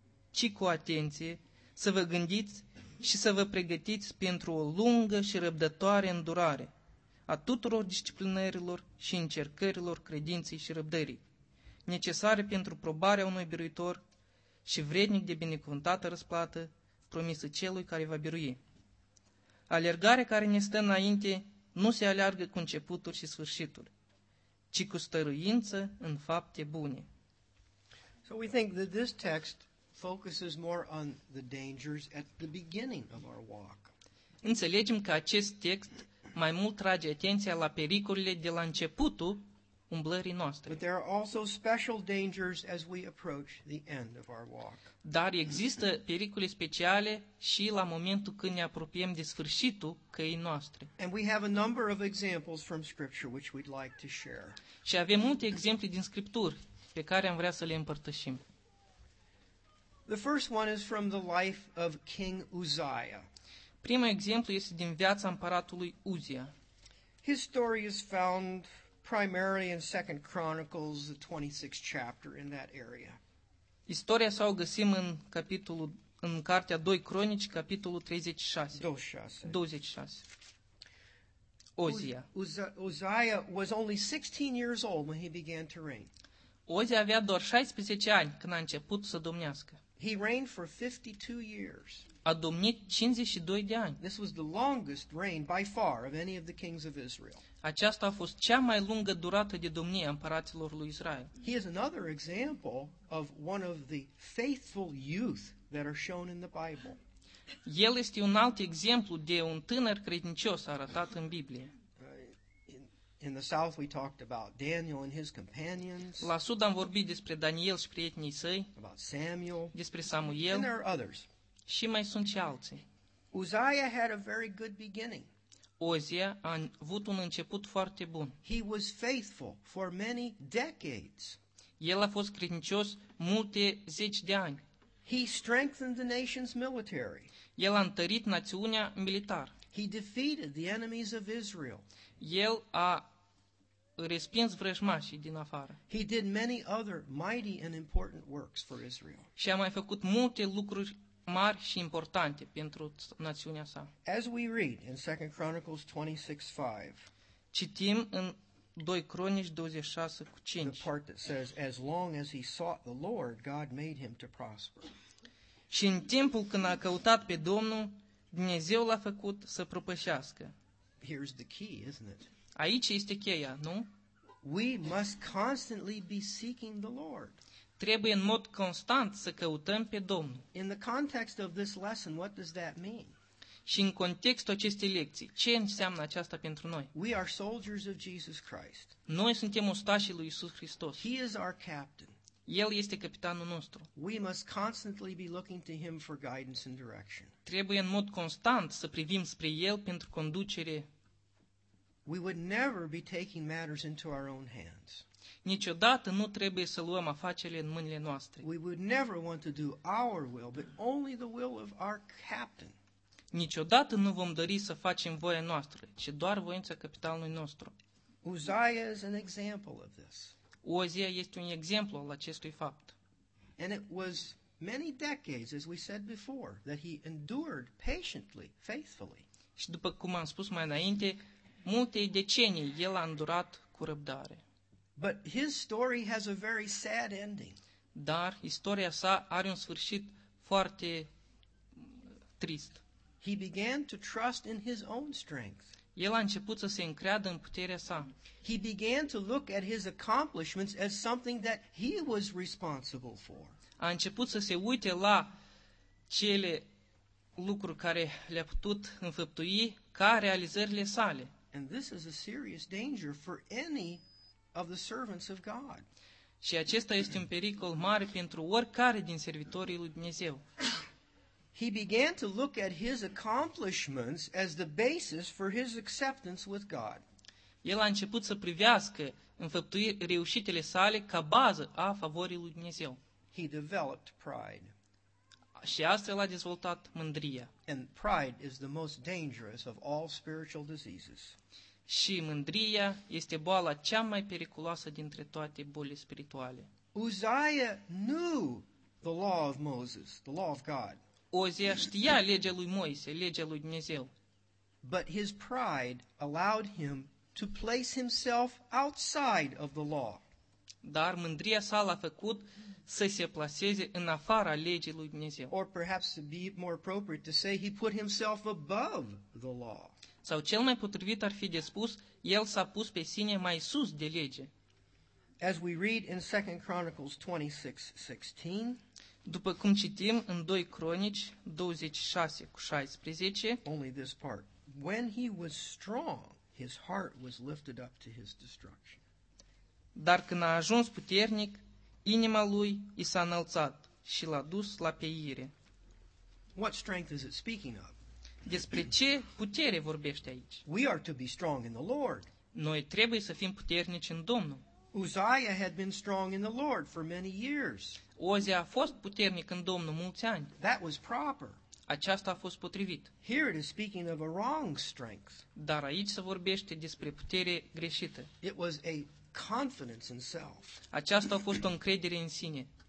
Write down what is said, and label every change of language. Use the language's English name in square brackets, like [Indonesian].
[Romanian] ci cu atenție să vă gândiți și să vă pregătiți pentru o lungă și răbdătoare îndurare a tuturor disciplinărilor și încercărilor credinței și răbdării, necesare pentru probarea unui biruitor și vrednic de binecuvântată răsplată promisă celui care va birui. Alergarea care ne stă înainte nu se aleargă cu începuturi și sfârșituri, ci cu stăruință în fapte bune. [English] So we think that this text focuses more on the dangers at the beginning of our walk. [Romanian] Înțelegem că acest text mai mult trage atenția la pericolele de la începutul umblării noastre. [English] But there are also special dangers as we approach the end of our walk. [Romanian] Dar există pericole speciale și la momentul când ne apropiem de sfârșitul căii noastre. [English] And we have a number of examples from Scripture which we'd like to share. [Romanian] Și avem multe exemple din Scripturi pe care am vrea să le împărtășim. [English] The first one is from the life of King Uzziah. [Romanian] Primul exemplu este din viața împăratului Uzia. [English] His story is found primarily in 2 Chronicles, the 26th chapter in that area. [Romanian] Istoria sa o găsim în capitolul, în cartea 2 Cronici, capitolul 26. Uzia. [English] Uzziah was only 16 years old when he began to reign. [Romanian] Uzia avea doar 16 ani când a început să domnească. [English] He reigned for 52 years. [Romanian] A domnit 52 de ani. [English] This was the longest reign by far of any of the kings of Israel. [Romanian] Aceasta a fost cea mai lungă durată de domnie a împăraților lui Israel. [English] He is another example of one of the faithful youth that are shown in the Bible. [Romanian] El este un alt exemplu de un tânăr credincios arătat în Biblie. [English] In the south we talked about Daniel and his companions. [Romanian] La sud am vorbit despre Daniel și prietenii săi. [English] About Samuel. [Romanian] Despre Samuel. [English] And there are others. [Romanian] Și mai sunt și alții. [English] Uzziah had a very good beginning. [Romanian] Uzia a avut un început foarte bun. [English] He was faithful for many decades. [Romanian] El a fost credincios multe zeci de ani. [English] He strengthened the nation's military. [Romanian] El a întărit națiunea militară. [English] He defeated the enemies of Israel. [Romanian] El a respins vrăjmașii din afară. [English] He did many other mighty and important works for Israel. [Romanian] Și a mai făcut multe lucruri mari și importante pentru națiunea sa. [English] As we read in 2 Chronicles 26:5. [Romanian] Citim în 2 Cronici 26:5. [English] The part that says, as long as he sought the Lord, God made him to prosper. [Romanian] Și în timpul când a căutat pe Domnul, Dumnezeu l-a făcut să propășească. [English] Here's the key, isn't it? [Romanian] Aici este cheia, nu? [English] We must constantly be seeking the Lord. [Romanian] Trebuie în mod constant să căutăm pe Domnul. [English] In the context of this lesson, what does that mean? [Romanian] Și în contextul acestei lecții, ce înseamnă aceasta pentru noi? [English] We are soldiers of Jesus Christ. [Romanian] Noi suntem ostașii lui Iisus Hristos. [English] He is our captain. [Romanian] El este capitanul nostru. [English] We must constantly be looking to him for guidance and direction. [Romanian] Trebuie în mod constant să privim spre el pentru conducere. [English] We would never be taking matters into our own hands. [Romanian] Niciodată nu trebuie să luăm afacerile în mâinile noastre. [English] We would never want to do our will, but only the will of our captain. [Romanian] Niciodată nu vom dori să facem voia noastră, ci doar voința capitanului nostru. [English] Uzziah is an example of this. [Romanian] Uzia este un exemplu al acestui fapt. [English] And it was many decades, as we said before, that he endured patiently, faithfully. [Romanian] Și după cum am spus mai înainte, multe decenii el a îndurat cu răbdare. [English] But his story has a very sad ending. [Romanian] Dar istoria sa are un sfârșit foarte trist. [English] He began to trust in his own strength. [Romanian] El a început să se încreadă în puterea sa. [English] He began to look at his accomplishments as something that he was responsible for. [Romanian] A început să se uite la cele lucruri care le-a putut înfăptui ca realizările sale. [English] And this is a serious danger for any of the servants of God. [Romanian] Și acesta este un pericol mare pentru oricare din servitorii lui Dumnezeu. [English] He began to look at his accomplishments as the basis for his acceptance with God. [Romanian] El a început să privească înfăptuirile reușitele sale ca bază a favorii lui Dumnezeu. [English] He developed pride. [Romanian] Și astfel a dezvoltat mândria. [English] And pride is the most dangerous of all spiritual diseases. [Romanian] Și mândria este boala cea mai periculoasă dintre toate bolile spirituale. [English] Uzziah knew the law of Moses, the law of God. [Romanian] Uzia știa legea lui Moise, legea lui Dumnezeu. [English] But his pride allowed him to place himself outside of the law. [Romanian] Dar mândria sa l-a făcut să se placeze în afara legii lui Dumnezeu. [English] Or perhaps to be more appropriate to say he put himself above the law. [Romanian] Sau cel mai potrivit ar fi de spus, el s-a pus pe sine mai sus de lege. [English] As we read in 2 Chronicles 26:16, [Romanian] după cum citim în 2 Cronici 26:16, [English] only this part. When he was strong, his heart was lifted up to his destruction. [Romanian] Dar când a ajuns puternic, inima lui i s-a înălțat și l-a dus la pieire. [English] What strength is it speaking of? [Romanian] Despre ce putere vorbește aici? [English] We are to be strong in the Lord. [Romanian] Noi trebuie să fim puternici în Domnul. [English] Uzziah had been strong in the Lord for many years. [Romanian] Uzia a fost puternic în Domnul mulți ani. [English] That was proper. [Romanian] Aceasta a fost potrivit. [English] Here it is speaking of a wrong strength. [Romanian] Dar aici se vorbește despre putere greșită. [English] It was a confidence in self. [Romanian] Aceasta a fost o încredere în sine.